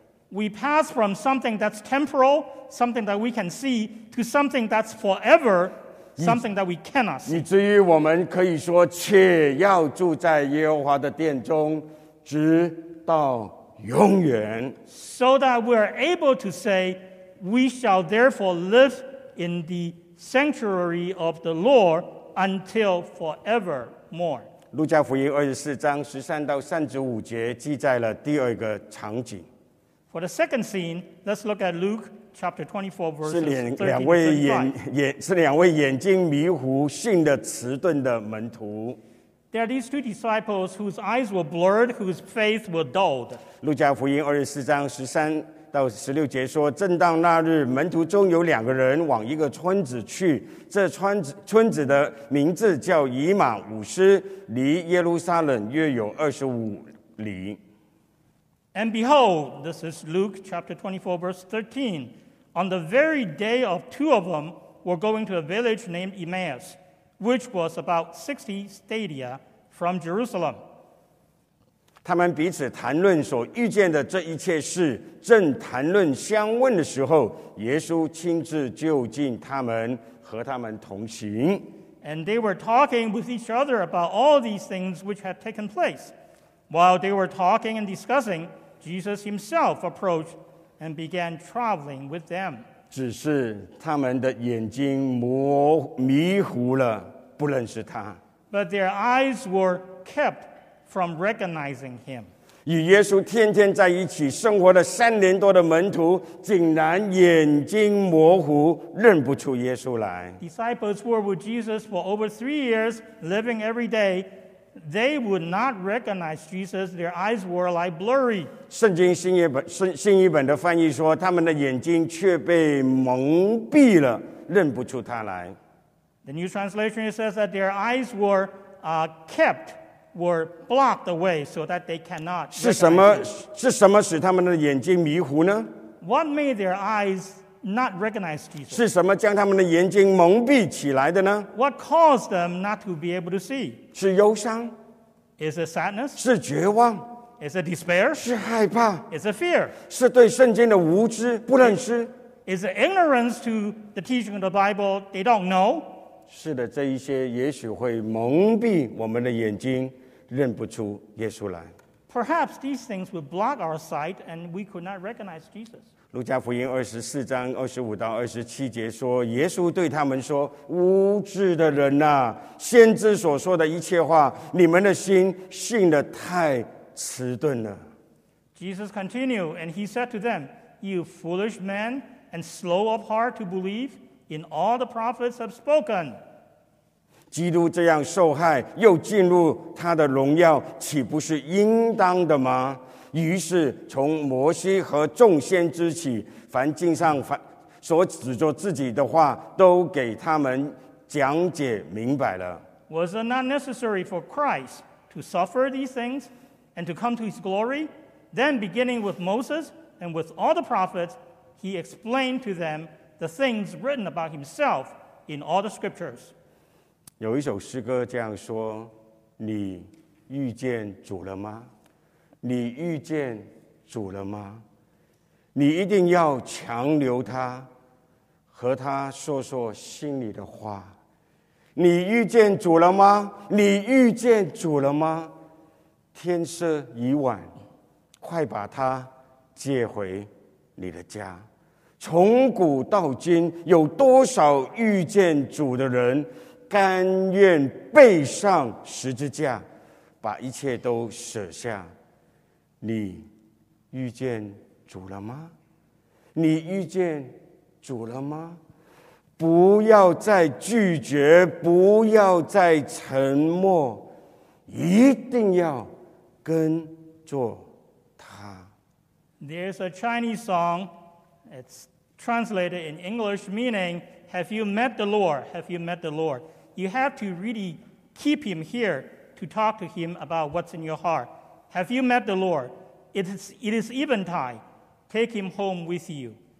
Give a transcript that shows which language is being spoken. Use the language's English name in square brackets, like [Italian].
[English] We pass from something that's temporal, something that we can see, to something that's forever, something that we cannot see. [Chinese] 以至于我们可以说且要住在耶和华的殿中直到永远。 [English] So that we are able to say, we shall therefore live in the sanctuary of the Lord until forevermore. [Chinese] 路加福音24章13到35节记载了第二个场景。 [English] For the second scene, let's look at Luke chapter 24 verses [Chinese] 是两位眼睛迷糊信的迟钝的门徒。 [English] There are these two disciples whose eyes were blurred, whose faith were dulled. [Chinese] 路加福音24章13到十六节说，正当那日，门徒中有两个人往一个村子去，这村子的名字叫以马忤斯，离耶路撒冷约有25里。 [English] And behold, this is Luke chapter 24, verse 13. On the very day of two of them were going to a village named Emmaus, which was about 60 stadia from Jerusalem. [Chinese] 他们彼此谈论所遇见的这一切事，正谈论相问的时候，耶稣亲自就近他们，和他们同行。 [English] And they were talking with each other about all these things which had taken place. While they were talking and discussing, Jesus himself approached and began traveling with them. [Chinese] 只是他们的眼睛迷糊了，不认识他。 [English] But their eyes were kept from recognizing him. [Chinese] 与耶稣天天在一起生活了三年多的门徒，竟然眼睛模糊，认不出耶稣来。 [English] Disciples were with Jesus for over 3 years, living every day. They would not recognize Jesus. Their eyes were like blurry. [Chinese] 圣经新译本的翻译说，他们的眼睛却被蒙蔽了，认不出他来。 [English] The New Translation says that their eyes were blocked away so that they cannot recognize him. [Chinese] 是什么使他们的眼睛迷糊呢？ [English] What made their eyes not recognize Jesus? [Chinese] 是什么将他们的眼睛蒙蔽起来的呢？ [English] What caused them not to be able to see? [Chinese] 是忧伤？ [English] Is it sadness? [Chinese] 是绝望？ [English] Is it despair? [Chinese] 是害怕？ [English] Is it fear? [Chinese] 是对圣经的无知，不认识？ [English] Is it ignorance to the teaching of the Bible? They don't know? [Chinese] 是的，这一些也许会蒙蔽我们的眼睛，认不出耶稣来。 [English] Perhaps these things would block our sight, and we could not recognize Jesus. [Chinese] 路加福音二十四章二十五到二十七节说，耶稣对他们说：“无知的人呐、啊，先知所说的一切话，你们的心信得太迟钝了。” [English] Jesus continued, and he said to them, "You foolish men, and slow of heart to believe." In all the prophets have spoken. [Chinese] 基督这样受害，又进入他的荣耀，岂不是应当的吗？于是从摩西和众先知起，凡经上所指着自己的话，都给他们讲解明白了。 [English] Was it not necessary for Christ to suffer these things and to come to his glory? Then beginning with Moses and with all the prophets, he explained to them the things written about himself in all the scriptures. [Chinese] 有一首诗歌这样说，你遇见主了吗？你遇见主了吗？你一定要强留他，和他说说心里的话。你遇见主了吗？你遇见主了吗？天色已晚，快把他接回你的家。从古到今，有多少遇见主的人，甘愿背上十字架，把一切都舍下？你遇见主了吗？你遇见主了吗？不要再拒绝，不要再沉默，一定要跟着他。 [English] There's a Chinese song. It'sTranslated in English, meaning, have you met the Lord? Have you met the Lord? You have to really keep him here to talk to him about what's in your heart. Have you met the Lord? It is eventide. Take him home with you.